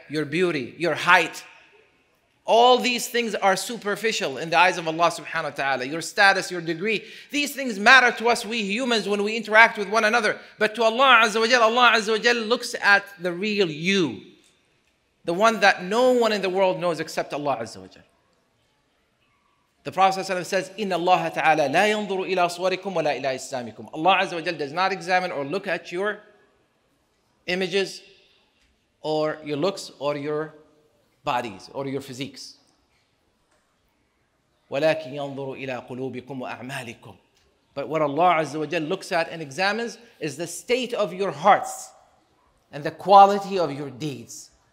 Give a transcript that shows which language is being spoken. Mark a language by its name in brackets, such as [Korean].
[English] Your beauty, your height. All these things are superficial in the eyes of Allah subhanahu wa ta'ala. Your status, your degree. These things matter to us, we humans, when we interact with one another. But to Allah Azza wa Jal, Allah Azza wa Jal looks at the real you. The one that no one in the world knows except Allah Azza wa Jal. The Prophet ﷺ says, [Arabic] إِنَّ اللَّهَ تَعَالَى لَا يَنْظُرُ إِلَىٰ صُوَرِكُمْ وَلَا إِلَىٰ إِسْلَامِكُمْ. [English] Allah Azza wa Jal does not examine or look at your images or your looks or your bodies or your physiques. [Arabic] وَلَكِنْ يَنْظُرُ إِلَىٰ قُلُوبِكُمْ وَأَعْمَالِكُمْ. [English] But what Allah Azza wa Jal looks at and examines is the state of your hearts and the quality of your deeds.